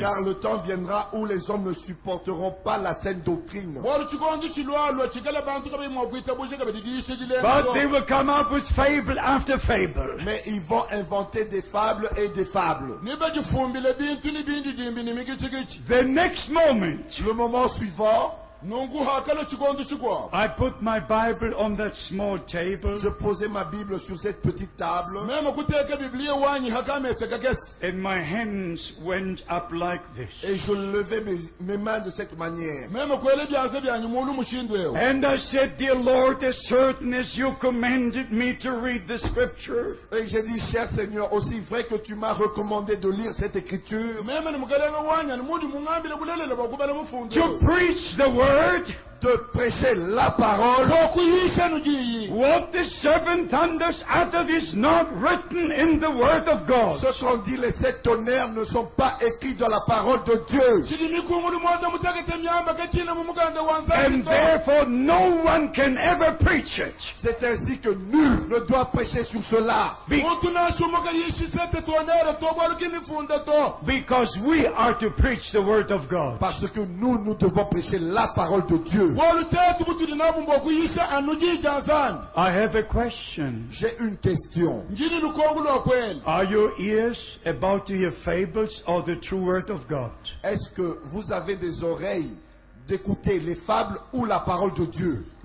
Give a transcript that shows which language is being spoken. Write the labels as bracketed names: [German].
[French] Car le temps viendra où les hommes ne supporteront pas la saine doctrine. [English] But they will come up with fable after fable. [French] Mais ils vont inventer des fables et des fables. [English] The next moment, [French] le moment suivant, [English] I put my Bible on that small table. [French] Je posais ma Bible sur cette petite table. [English] And my hands went up like this. [French] Et je levais mes mains de cette manière. [English] And I said, dear Lord, as certain as you commanded me to read the scripture. [French] Et j'ai dit, cher Seigneur, aussi vrai que tu m'as recommandé de lire cette écriture. [English] To preach the word. [French] De prêcher la parole. [English] What the seven thunders utter is not written in the word of God. [French] Ce qu'on dit, les sept tonnerres ne sont pas écrits dans la parole de Dieu. [English] And therefore no one can ever preach it. [French] C'est ainsi que nul ne doit prêcher sur cela. [English] Because we are to preach the word of God. [French] Parce que nous devons prêcher la parole de Dieu. [English] I have a question. [French] J'ai une question. [English] Are your ears about to hear fables or the true word of God? [French] Est-ce que vous avez des oreilles d'écouter les fables ou la parole de Dieu?